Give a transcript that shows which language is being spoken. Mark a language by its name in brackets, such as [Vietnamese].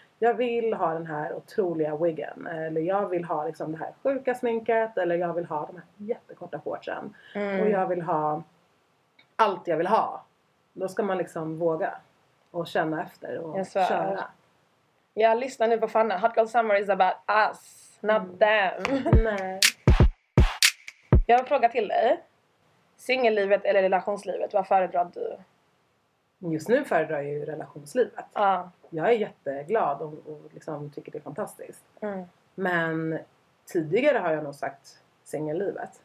[Swedish] Jag vill ha den här otroliga wiggen. Eller jag vill ha liksom det här sjuka sminket. Eller jag vill ha de här jättekorta shortsen. Mm. Och jag vill ha allt jag vill ha. Då ska man liksom våga. Och känna efter och köra. Ja, lyssna nu på Fanna. [English] Hot Girl Summer is about us, not them. [Swedish] Nej. Jag har en fråga till dig. Singellivet eller relationslivet, vad föredrar du? Just nu föredrar jag ju relationslivet. Jag är jätteglad och liksom tycker det är fantastiskt. Mm. Men tidigare har jag nog sagt singellivet.